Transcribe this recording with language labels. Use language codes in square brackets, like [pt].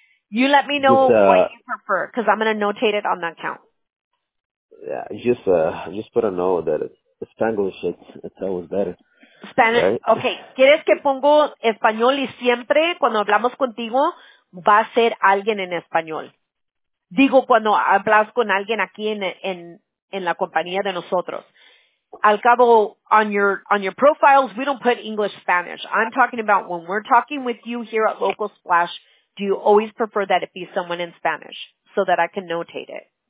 [en] You let me know what you prefer, because I'm going to notate it on that count. Yeah, just put a note that Spanglish, it's always better. Spanish, right? Okay. [es] ¿Quieres que pongo español y siempre cuando hablamos contigo va a ser alguien en español? Digo, cuando hablas con alguien aquí en la compañía de nosotros. Al cabo, [en] on your profiles, we don't put English, Spanish. I'm talking about when we're talking with you here at Local Splash, do you always prefer that it be someone in Spanish so that I can notate it?